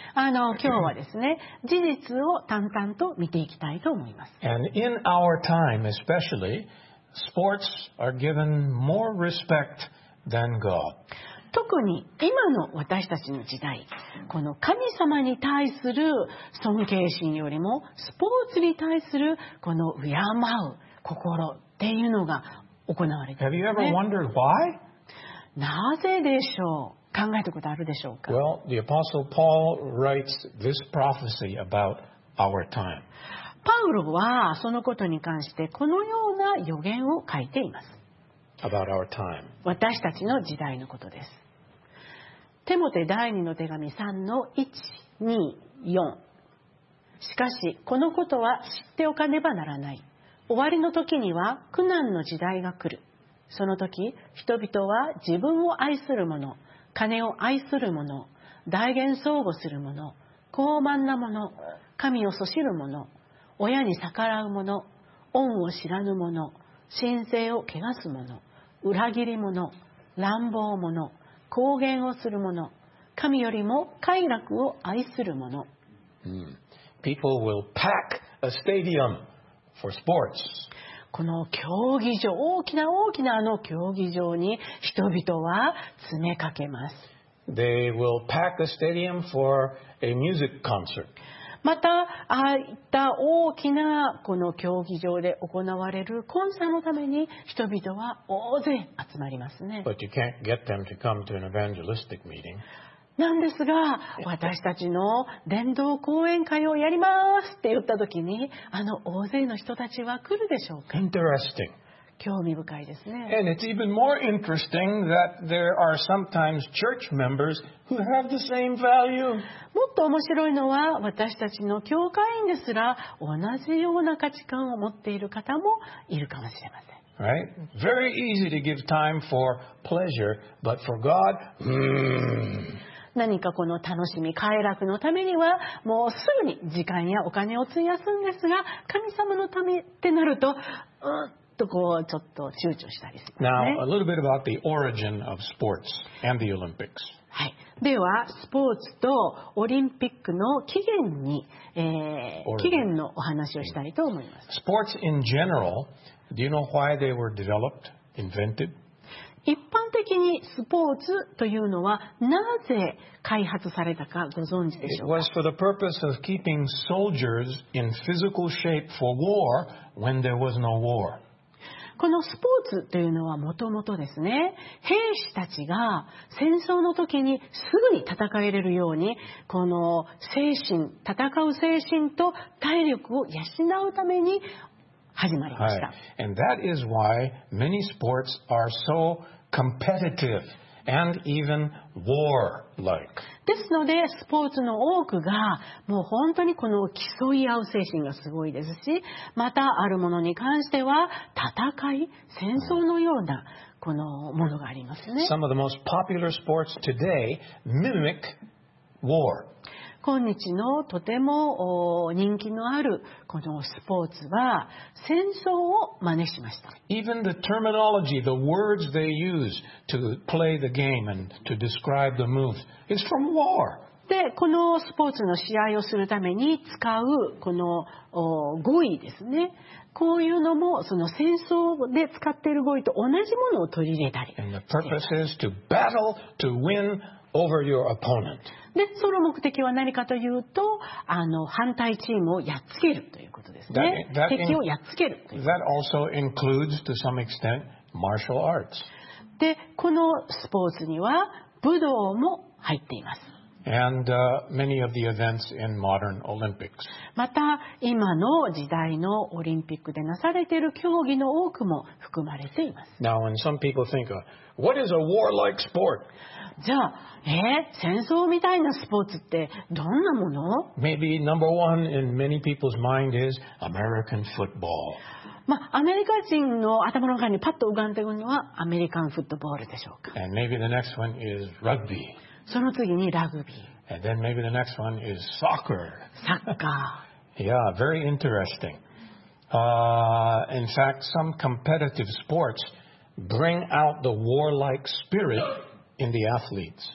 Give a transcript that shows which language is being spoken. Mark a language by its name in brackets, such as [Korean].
[Japanese] 今日はですね、事実を淡々と見ていきたいと思います。 [English] And in our time especially, sports are given more respect than God. [Japanese] 特に今の私たちの時代、この神様に対する尊敬心よりも、スポーツに対するこの敬う心っていうのが行われている、ね。 [English] Have you ever wondered why? [Japanese] なぜでしょう？考えたことあるでしょうか？ [English] Well, the Apostle Paul writes this prophecy about our time. [Japanese] パウロはそのことに関してこのような予言を書いています。 [English] About our time. [Japanese] 私たちの時代のことです。テモテ第2の手紙3の1、2、4。しかしこのことは知っておかねばならない。終わりの時には苦難の時代が来る。その時人々は自分を愛する者、金を愛する者、大言壮語する者、高慢な者、神をそしる者、親に逆らう者、恩を知らぬ者、神聖を汚す者、裏切り者、乱暴者、公言をする者、神よりも快楽を愛する者。 [English] People will pack a stadium for sports. [Japanese] この競技場、大きな大きなあの競技場に人々は詰めかけます。 [English] They will pack a stadium for a music concert. [Japanese] また、ああいった大きなこの競技場で行われるコンサートのために人々は大勢集まりますね。 [English] But you can't get them to come to an evangelistic meeting. [Japanese] なんですが、私たちの伝道講演会をやりますって言った時に、あの大勢の人たちは来るでしょうか？ [English] Interesting. [Japanese] 興味深いですね。 [English] And it's even more interesting that there are sometimes church members who have the same value. [Japanese] もっと面白いのは、私たちの教会員ですら同じような価値観を持っている方もいるかもしれません。 [English] Right? Very easy to give time for pleasure, but for God, [Japanese] 何かこの楽しみ、快楽のためには、もうすぐに時間やお金を費やすんですが、神様のためってなると、とこうちょっと躊躇したりするね。 [English] Now, a little bit about the origin of sports and the Olympics. [Japanese] はい、ではスポーツとオリンピックの起源に、起源のお話をしたいと思います。 [English] スポーツ in general, do you know why they were developed, invented? [Japanese] 一般的にスポーツというのはなぜ開発されたかご存知でしょうか? [English] It was for the purpose of keeping soldiers in physical shape for war when there was no war. [Japanese] このスポーツというのはもともとですね、兵士たちが戦争の時にすぐに戦えれるように、この精神、戦う精神と体力を養うために始まりました、 [English] はい、And that is why many sports are so competitive and even war-like. [Japanese] ですので、スポーツの多くがもう本当にこの競い合う精神がすごいですし、またあるものに関しては戦い、戦争のようなこのものがありますね。 [English] Some of the most popular sports today mimic war. [Japanese] 今日のとても人気のあるこのスポーツは戦争を真似しました。 [English] Even the terminology, the words they use to play the game and to describe the moves is from war. [Japanese] で、このスポーツの試合をするために使うこの語彙ですね。こういうのもその戦争で使っている語彙と同じものを取り入れたり。 [English] And the purpose is to battle to win over your opponent. [Japanese] で、その目的は何かというと、反対チームをやっつけるということですね。敵をやっつけるということ。 [English] That also includes, to some extent, martial arts. [Japanese] で、このスポーツには武道も入っています。 [English] And many of the events in modern Olympics. [Japanese] また今の時代のオリンピックでなされている競技の多くも含まれています。 [English] Now, when some people think of, what is a war-like sport? [Japanese] じゃあ、戦争みたいなスポーツってどんなもの？ [English] Maybe number one in many people's mind is American football. [Japanese] まあ、アメリカ人の頭の中にパッと浮かんでいるのはアメリカンフットボールでしょうか。 [English] And maybe the next one is rugby. [Japanese] その次にラグビー。 [English] And then maybe the next one is soccer. [Japanese] サッカー。 [English] Yeah, very interesting. In fact, some competitive sports bring out the warlike spirit in the athletes.